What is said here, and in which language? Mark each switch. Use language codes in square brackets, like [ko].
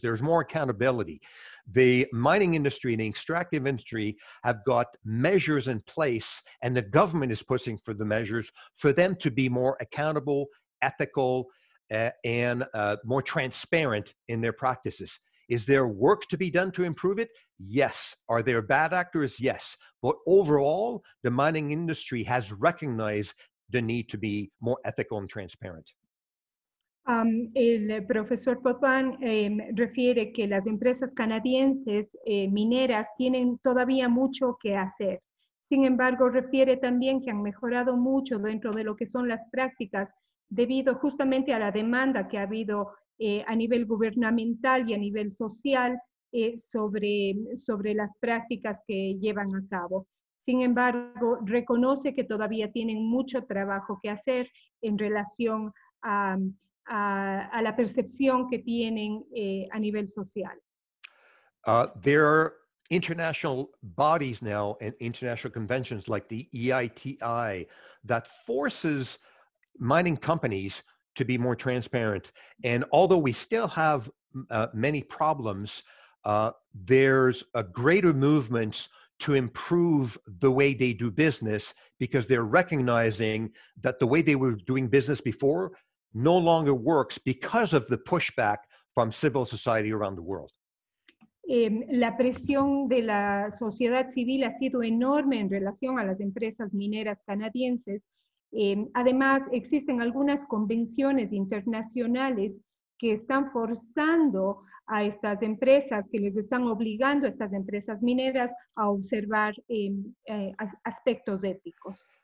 [en] There's more accountability. The mining industry and the extractive industry have got measures in place, and the government is pushing for the measures for them to be more accountable, ethical, and more transparent in their practices. Is there work to be done to improve it? Yes. Are there bad actors? Yes. But overall, the mining industry has recognized the need to be more ethical and transparent. [es] El profesor Potvan refiere que las empresas canadienses mineras tienen todavía mucho que hacer. Sin embargo, refiere también que han mejorado mucho dentro de lo que son las prácticas debido justamente a la demanda que ha habido a nivel gubernamental y a nivel social sobre las prácticas que llevan a cabo. Sin embargo, reconoce que todavía tienen mucho trabajo que hacer en relación a la percepción que tienen a nivel social. [en] There are international bodies now and international conventions like the EITI that forces mining companies to be more transparent. And although we still have many problems, there's a greater movement to improve the way they do business because they're recognizing that the way they were doing business before no longer works because of the pushback from civil society around the world. [es] La presión de la sociedad civil ha sido enorme en relación a las empresas mineras canadienses. Además, existen algunas convenciones internacionales que están forzando a estas empresas, que les están obligando a estas empresas mineras a observar aspectos éticos.